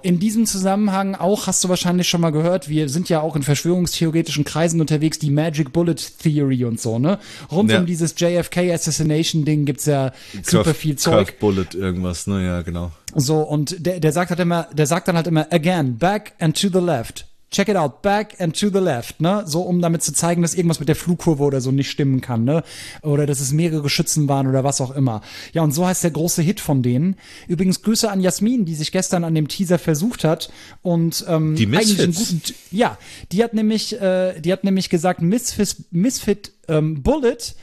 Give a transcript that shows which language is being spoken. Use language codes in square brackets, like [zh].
[de] In diesem Zusammenhang auch, hast du wahrscheinlich schon mal gehört, wir sind ja auch in verschwörungstheoretischen Kreisen unterwegs, die Magic Bullet Theory und so, ne? Um dieses JFK Assassination Ding gibt's ja super viel Zeug. Curve Bullet irgendwas, ne? Ja, genau. So, und der sagt dann halt immer, [en] again, back and to the left. Check it out, back and to the left, ne? [de] So, um damit zu zeigen, dass irgendwas mit der Flugkurve oder so nicht stimmen kann, ne? Oder dass es mehrere Schützen waren oder was auch immer. Ja, und so heißt der große Hit von denen. Übrigens, Grüße an Jasmin, die sich gestern an dem Teaser versucht hat. Und die Misfits. Eigentlich einen guten, ja, die hat nämlich gesagt, Misfit Bullet.